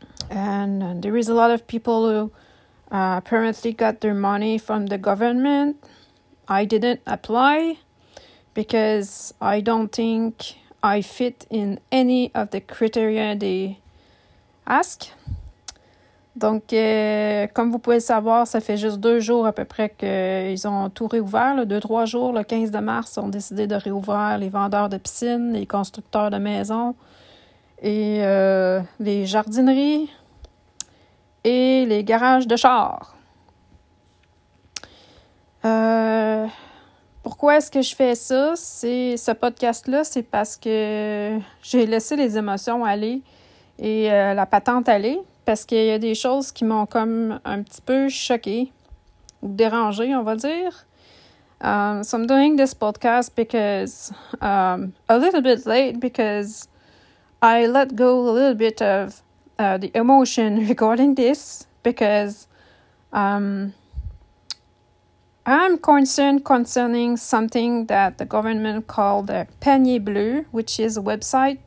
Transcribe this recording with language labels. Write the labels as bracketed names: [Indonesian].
[English] And there is a lot of people who apparently got their money from the government. I didn't apply because I don't think I fit in any of the criteria they ask. [French] Donc, comme vous pouvez le savoir, ça fait juste 2 jours à peu près qu'ils ont tout réouvert. Là. 2-3 jours, le 15 de mars, ils ont décidé de réouvrir les vendeurs de piscines, les constructeurs de maisons et les jardineries et les garages de chars. Pourquoi est-ce que je fais ça? Ce podcast-là, c'est parce que j'ai laissé les émotions aller et la patente aller. Parce qu'il y a des choses qui m'ont comme un petit peu choquée ou dérangée, on va dire. [English] So I'm doing this podcast because a little bit late because I let go a little bit of the emotion regarding this because I'm concerned concerning something that the government called the Panier Bleu, which is a website.